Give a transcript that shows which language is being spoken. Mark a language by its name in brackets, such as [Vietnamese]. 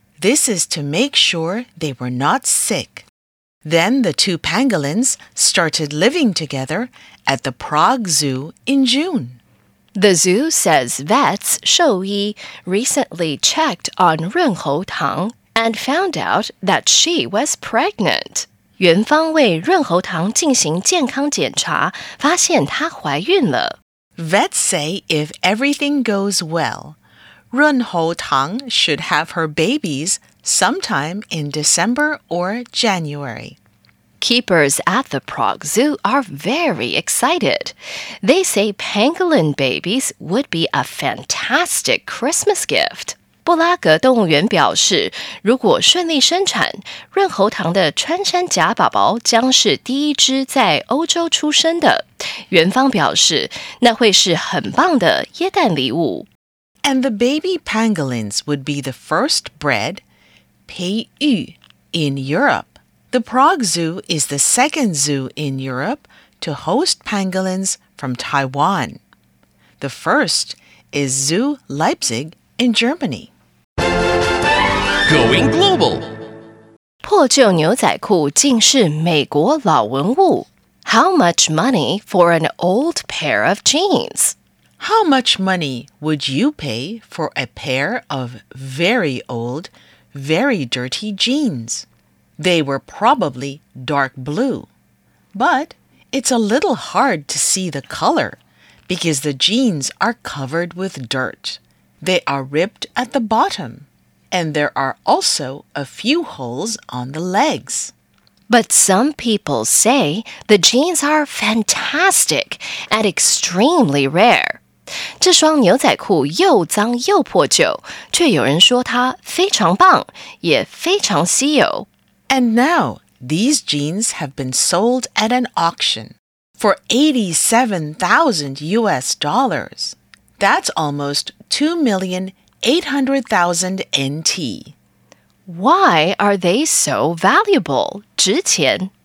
[English] This is to make sure they were not sick. Then the two pangolins started living together at the Prague Zoo in June. The zoo says vets Shou Yi recently checked on Ren Hou Tang and found out that she was pregnant. [Chinese] 园方为润喉糖进行健康检查，发现她怀孕了。 [English] Vets say if everything goes well, Ren Hou Tang should have her babies sometime in December or January. Keepers at the Prague Zoo are very excited. They say pangolin babies would be a fantastic Christmas gift. [Chinese] 布拉格动物园表示，如果顺利生产，润喉糖的穿山甲宝宝将是第一只在欧洲出生的。园方表示，那会是很棒的耶诞礼物。 [English] And the baby pangolins would be the first bred 培育 in Europe. The Prague Zoo is the second zoo in Europe to host pangolins from Taiwan. The first is Zoo Leipzig in Germany. Going global. [Chinese] 破旧牛仔裤竟是美国老文物。 [English] How much money for an old pair of jeans? How much money would you pay for a pair of very old, very dirty jeans? They were probably dark blue. But it's a little hard to see the color because the jeans are covered with dirt. They are ripped at the bottom. And there are also a few holes on the legs. But some people say the jeans are fantastic and extremely rare. [Chinese] 这双牛仔裤又脏又破旧，却有人说它非常棒，也非常稀有。 [English] And now, these jeans have been sold at an auction for $87,000. That's almost $2,800,000 NT. Why are they so valuable? 值钱.